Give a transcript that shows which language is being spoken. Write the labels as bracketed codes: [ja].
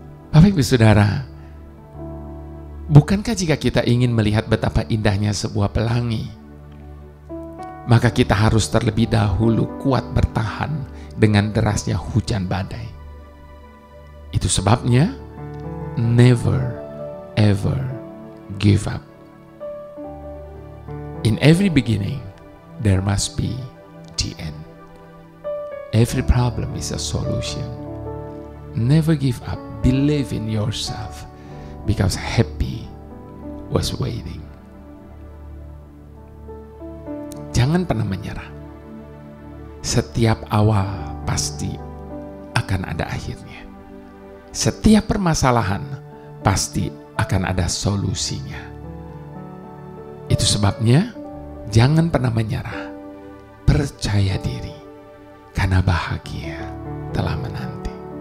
[id] Bapak Ibu Saudara, bukankah jika kita ingin melihat betapa indahnya sebuah pelangi, maka kita harus terlebih dahulu kuat bertahan dengan derasnya hujan badai. Itu sebabnya, [en] never ever give up. In every beginning, there must be the end. Every problem is a solution. Never give up. Believe in yourself, because happy was waiting. [id] Jangan pernah menyerah. Setiap awal pasti akan ada akhirnya. Setiap permasalahan pasti akan ada solusinya. Itu sebabnya jangan pernah menyerah. Percaya diri, karena bahagia telah menanti.